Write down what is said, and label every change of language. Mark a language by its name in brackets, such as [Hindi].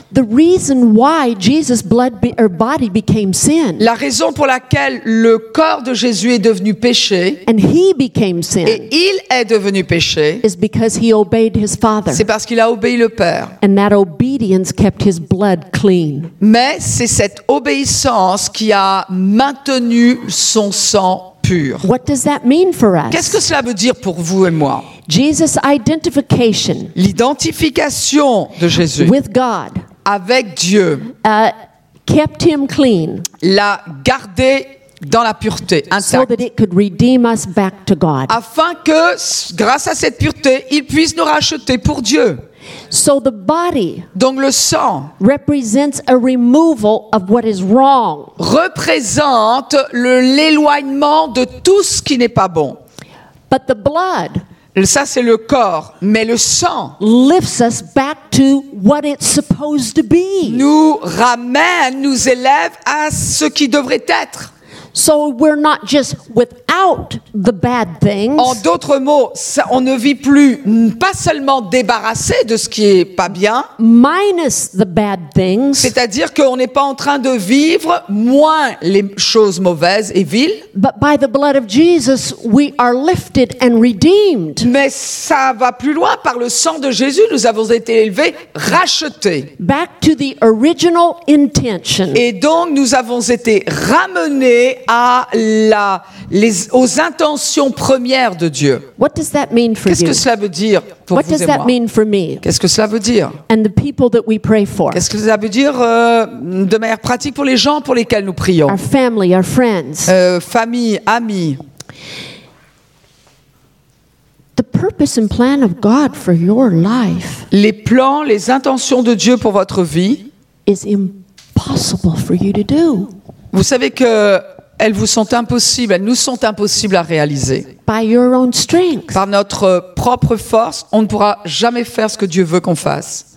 [English] The reason why Jesus' blood or body became sin. [French] La raison pour laquelle le corps de Jésus est devenu péché. [English] And he became sin. [French] Et il est devenu péché. [English] Is because he obeyed his father. [French] C'est parce qu'il a obéi le Père. [English] And that obedience kept his blood clean. [French] Mais c'est cette obéissance qui a maintenu son sang pur. [English] What does that mean for us? [French] Qu'est-ce que cela veut dire pour vous et moi? [English] Jesus' identification, [French] l'identification de Jésus [English] with God, [French] avec Dieu, [English] kept him clean, [French] l'a gardé dans la pureté, intact, [English] so that it could redeem us back to God, [French] afin que, grâce à cette pureté, il puisse nous racheter pour Dieu. [English] So the body, [French] donc le sang, [English] represents a removal of what is wrong, [French] représente l'éloignement de tout ce qui n'est pas bon. [English] But the blood. [French] Ça, c'est le corps, mais le sang [English] lifts us back to what it's supposed to be. [French] Nous ramène, nous élève à ce qui devrait être. [English] So we're not just without the bad things. [French] En d'autres mots, ça, on ne vit plus pas seulement débarrassé de ce qui est pas bien. [English] Minus the bad things. [French] C'est-à-dire qu'on n'est pas en train de vivre moins les choses mauvaises et viles. [English] But by the blood of Jesus, we are lifted and redeemed. [French] Mais ça va plus loin. Par le sang de Jésus, nous avons été élevés, rachetés. [English] Back to the original intention. [French] Et donc nous avons été ramenés à aux intentions premières de Dieu. [English] What does that mean for [French] qu'est-ce que cela veut dire pour [English] what [French] vous [English] does [French] et moi [English] mean for me? [French] Qu'est-ce que cela veut dire? [English] And the people that we pray for. [French] Qu'est-ce que cela veut dire de manière pratique pour les gens pour lesquels nous prions? [English] Our family, our friends. [French] Famille, amis. [English] The purpose and plan of God for your life. [French] Les plans, les intentions de Dieu pour votre vie. [English] Is impossible for you to do. [French] Vous savez que elles vous sont impossibles, elles nous sont impossibles à réaliser. [English] By your own strength. [French] Par notre propre force, on ne pourra jamais faire ce que Dieu veut qu'on fasse.